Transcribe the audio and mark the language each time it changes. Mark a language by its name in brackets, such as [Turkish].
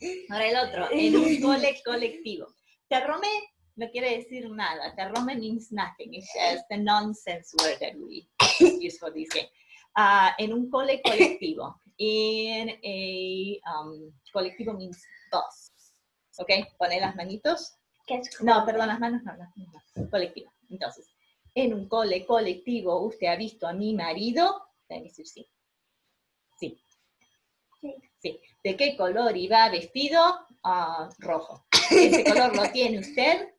[Spanish] Ahora el otro, en un cole colectivo. Terrome. No quiere decir nada. Terrome means nothing. [English] It's just a nonsense word that we use for this game. En un cole colectivo. In a colectivo means bus. [Spanish] Ok, poné las manitos. No, perdón, las manos no. Colectivo. Entonces, en un cole colectivo, ¿usted ha visto a mi marido? Debe decir sí. Sí. Sí. ¿De qué color iba vestido? Rojo. ¿Ese color lo tiene usted?